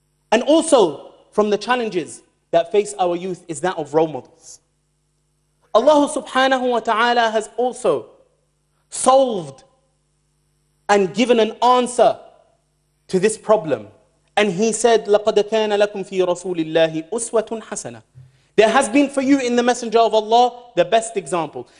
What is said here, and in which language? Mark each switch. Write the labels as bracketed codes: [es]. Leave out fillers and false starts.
[en] And also from the challenges that face our youth is that of role models. Allah subhanahu wa ta'ala has also solved and given an answer to this problem. [ar] And he said, لَقَدَ كَانَ لَكُمْ فِي رَسُولِ اللَّهِ أُسْوَةٌ حَسَنَةٌ. [en] There has been for you in the Messenger of Allah the best example.